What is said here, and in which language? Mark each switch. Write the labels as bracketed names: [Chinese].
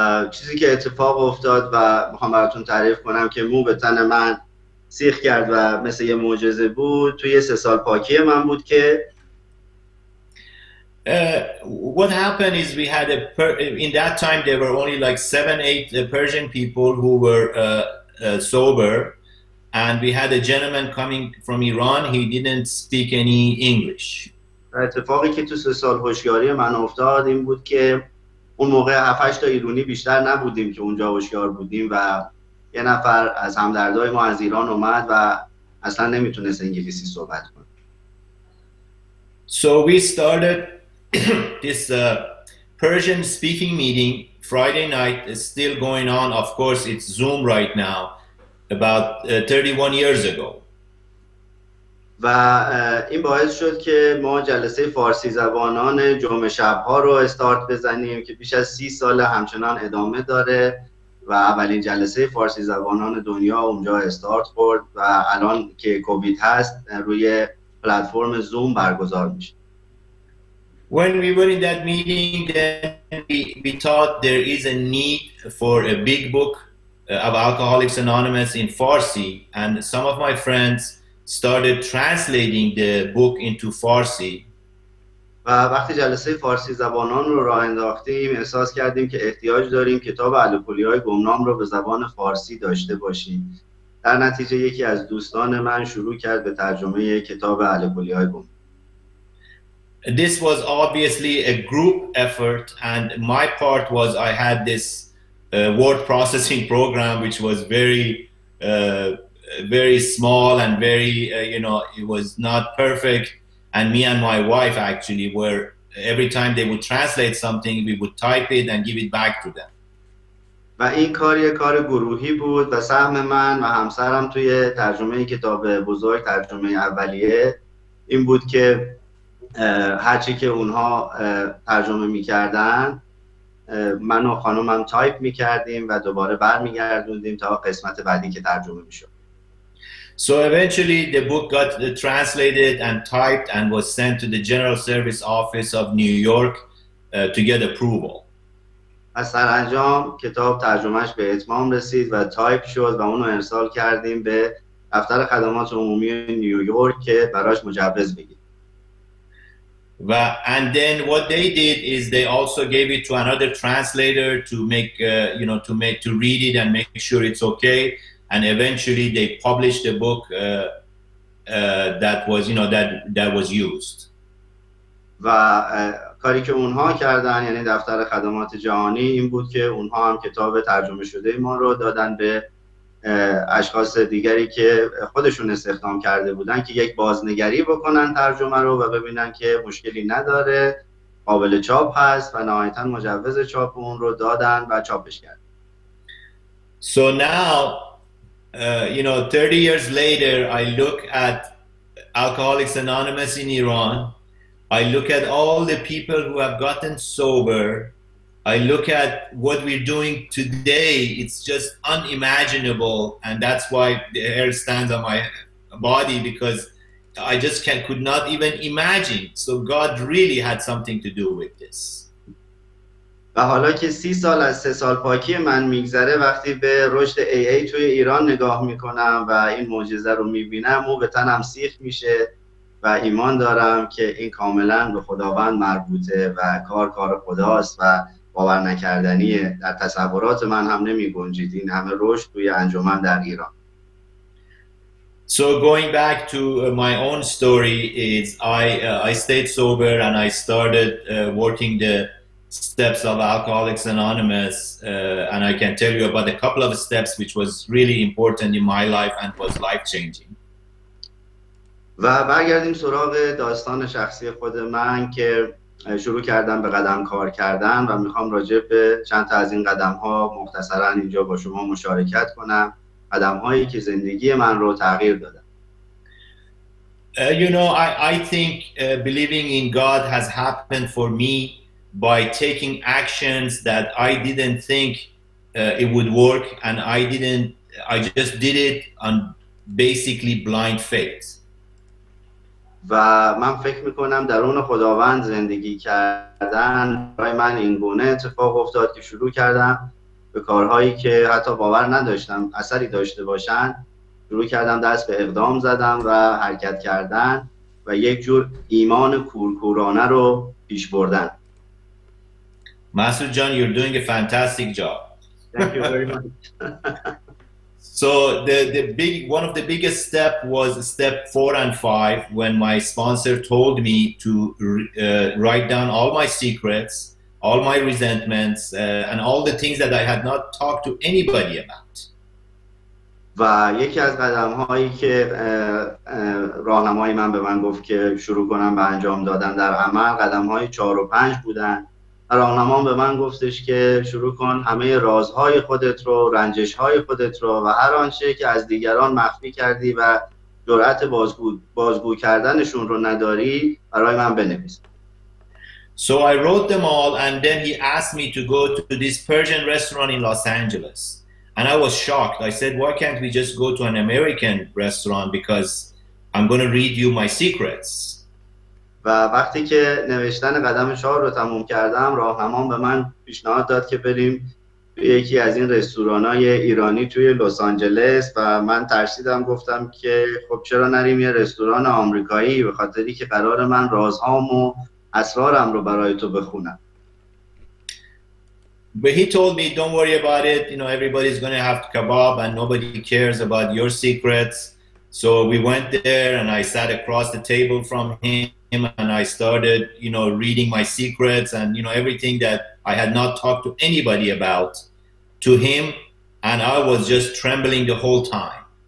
[Persian] چیزی که اتفاق افتاد و میخوام براتون تعریف کنم که مو به تن من سیخ کرد و مثل یه معجزه بود توی 3 سال پاکی من بود که [English] What happened is we had a in that time there were only like 7-8 Persian people who were sober and we had a gentleman coming from Iran, he didn't speak any English. [Persian] اتفاقی که تو 3 سال هوشیاری من افتاد این بود که اون موقع 7-8 تا ایرانی بیشتر نبودیم که اونجا هوشیار بودیم و یه نفر از همدردای ما از ایران اومد و اصلا نمیتونست انگلیسی صحبت کنه. [English] So we started this Persian speaking meeting Friday night, is still going on, of course it's Zoom right now, about 31 years ago. [Persian] و این باعث شد که ما جلسه فارسی زبانان جمعه شب‌ها رو استارت بزنیم که بیش از 30 سال همچنان ادامه داره و اولین جلسه فارسی زبانان دنیا اونجا استارت خورد و الان که کووید هست روی پلتفرم زوم برگزار میشه. [English] When we were in that meeting then we thought there is a need for a big book of Alcoholics Anonymous in Farsi and some of my friends started translating the book into Farsi. [Persian] و وقتی جلسه فارسی زبانان رو راه انداختیم احساس کردیم که احتیاج داریم کتاب الکلی‌های گمنام رو به زبان فارسی داشته باشیم. در نتیجه یکی از دوستان من شروع کرد به ترجمه کتاب الکلی‌های گمنام. [English] This was obviously a group effort and my part was I had this word processing program which was very small and very you know it was not perfect and me and my wife actually were every time they would translate something we would type it and give it back to them [Persian] و این کار یه کار گروهی بود و سهم من و همسرم توی ترجمه کتاب بزرگ ترجمه اولیه این بود که هر چی که اونها ترجمه می‌کردن من و خانومم تایپ می‌کردیم و دوباره برمیگردوندیم تا قسمت بعدی که ترجمه می‌شد. [English] So eventually the book got translated and typed and was sent to the General Service Office of New York to get approval. [Persian] پس سرانجام کتاب ترجمهش به اتمام رسید و تایپ شد و اونو ارسال کردیم به دفتر خدمات عمومی نیویورک که براش مجوز بگیر. [English] و and then what they did is they also gave it to another translator to make you know to read it and make sure it's okay. And eventually they published a book that was used. [Persian] و کاری که اونها کردن یعنی دفتر خدمات جهانی این بود که اونها هم کتاب ترجمه شده ما رو دادن به اشخاص دیگری که خودشون استخدام کرده بودن که یک بازنگری بکنن ترجمه رو و ببینن که مشکلی نداره قابل چاپ هست و نهایتا مجوز چاپ اون رو دادن و چاپش کرد. [English] So now you know 30 years later I look at Alcoholics Anonymous in Iran, I look at all the people who have gotten sober, I look at what we're doing today, it's just unimaginable and that's why the hair stands on my body because I just could not even imagine. So God really had something to do with this. [Persian] و حالا که 30 سال از 3 سال پاکی من میگذره وقتی به رشد AA توی ایران نگاه میکنم و این معجزه رو میبینم و به تنم سیخ میشه و ایمان دارم که این کاملا به خداوند مربوطه و کار خداست و باور نکردنیه. در تصورات من هم نمیگنجید این همه رشد توی انجمن در ایران. [English] So going back to my own story is I stayed sober and I started working the steps of Alcoholics Anonymous and I can tell you about a couple of steps which was really important in my life and was life changing. [Persian] و برگردیم سراغ داستان شخصی خود من که شروع کردم به قدم کار کردن و میخوام راجع به چند تا از این قدم ها مختصرا اینجا با شما مشارکت کنم، قدم هایی که زندگی من رو تغییر داد. [English] You know I think believing in God has happened for me by taking actions that I didn't think it would work and I just did it on basically blind faith. [Persian] و من فکر میکنم درون خداوند زندگی کردن برای من این گونه اتفاق افتاد که شروع کردم به کارهایی که حتی باور نداشتم اثری داشته باشن، شروع کردم دست به اقدام زدم و حرکت کردن و یک جور ایمان کورکورانه رو پیش بردن. [English] مسعود جان، you're doing a fantastic job. Thank you very much. So one of the biggest step was step 4 and 5, when my sponsor told me to write down all my secrets, all my resentments, and all the things that I had not talked to anybody about. [Persian] و یکی از قدم‌هایی که راهنمای من به من گفت که شروع کنم به انجام دادن در عمل، قدم‌های 4 و 5 بودن. راهنمام به من گفتش که شروع کن همه رازهای خودت رو، رنجش‌های خودت رو و هر آنچه که از دیگران مخفی کردی و جرأت بازگو کردنشون رو نداری برای من بنویس. [English] So I wrote them all and then he asked me to go to this Persian restaurant in Los Angeles. And I was shocked. I said, why can't we just go to an American restaurant? Because I'm going to read you my secrets. [Persian] و وقتی که نوشتن قدم 4 رو تموم کردم، راهنمام به من پیشنهاد داد که بریم یکی از این رستوران‌های ایرانی توی لس آنجلس و من ترسیدم، گفتم که خب چرا نریم یه رستوران آمریکایی، به خاطری که قرار من رازهام و اسرارم رو برای تو بخونم. [English] But he told me don't worry about it, you know, everybody's going to have kebab and nobody cares about your secrets. So we went there and I sat across the table from him and I started, you know, reading my secrets and, you know, everything that I had not talked to anybody about to him, and I was just trembling the whole time.